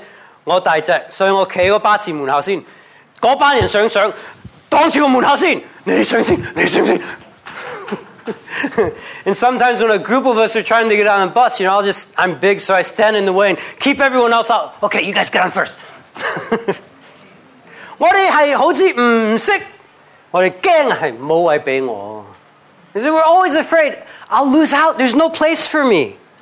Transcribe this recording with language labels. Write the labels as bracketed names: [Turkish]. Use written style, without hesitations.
[Chinese] 有时我一班人去搭巴士,我大只,所以我站在巴士门口先。那班人想上, 挡着门口先! 你上先, 你上先! [English] And sometimes when a group of us are trying to get on a bus, you know, I'm big, so I stand in the way and keep everyone else out. Okay, you guys get on first. [Chinese] 我们是好像不懂,我们怕没位给我。 [English] Because we're always afraid, I'll lose out, there's no place for me.